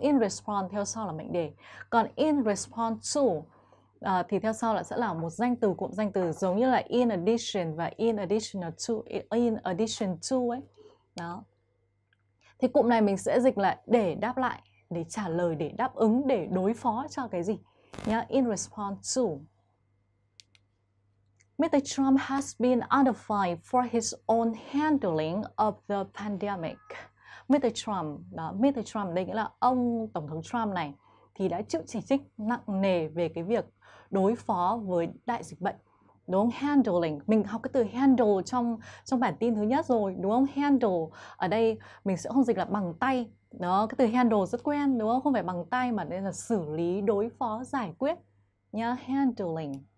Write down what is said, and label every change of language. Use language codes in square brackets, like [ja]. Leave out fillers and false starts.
[vi] In response theo sau là mệnh đề. Còn in response to thì theo sau là sẽ là một danh từ, cụm danh từ, giống như là in addition và in addition to ấy. Đó. Thì cụm này mình sẽ dịch lại để đáp lại, để trả lời, để đáp ứng, để đối phó cho cái gì nhá. [en] In response to. Mr. Trump has been under fire for his own handling of the pandemic. [vi] Mr. Trump, đó, Mr. Trump đây nghĩa là ông Tổng thống Trump này, thì đã chịu chỉ trích nặng nề về cái việc đối phó với đại dịch bệnh, đúng không? Handling, mình học cái từ handle trong bản tin thứ nhất rồi, đúng không? Handle ở đây mình sẽ không dịch là bằng tay, đó, cái từ handle rất quen, đúng không? Không phải bằng tay mà nên là xử lý, đối phó, giải quyết nhá, handling.